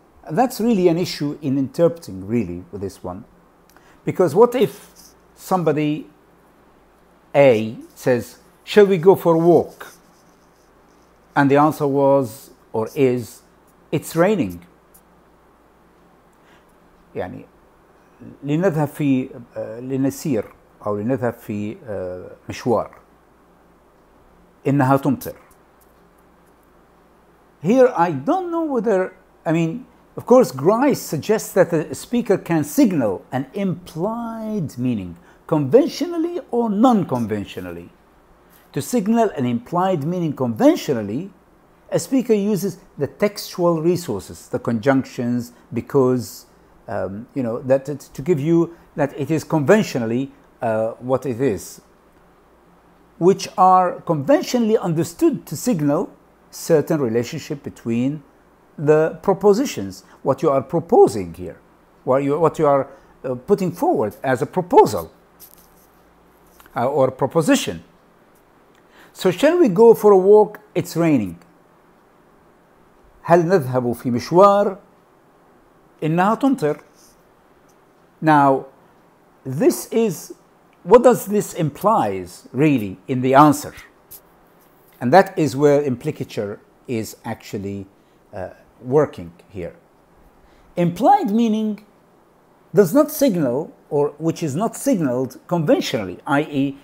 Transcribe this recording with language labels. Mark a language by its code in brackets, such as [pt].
[en] That's really an issue in interpreting, really, with this one. Because what if somebody A says, "Shall we go for a walk?" And the answer was, or is, "It's raining." [ar] يعني لنذهب في لنسير أو لنذهب في مشوار. إنها تمطر. [en] Here, I don't know whether, I mean, of course, Grice suggests that the speaker can signal an implied meaning, conventionally or non-conventionally. To signal an implied meaning conventionally, a speaker uses the textual resources, the conjunctions, because, you know, that to give you that it is conventionally what it is, which are conventionally understood to signal certain relationship between the propositions, what you are proposing here, what you are putting forward as a proposal or a proposition. So, shall we go for a walk? It's raining. [ar] هل نذهب في مشوار؟ إنها تمطر. [en] Now, this is what does this implies really in the answer? And that is where implicature is actually working here. Implied meaning does not signal, or which is not signaled conventionally, i.e.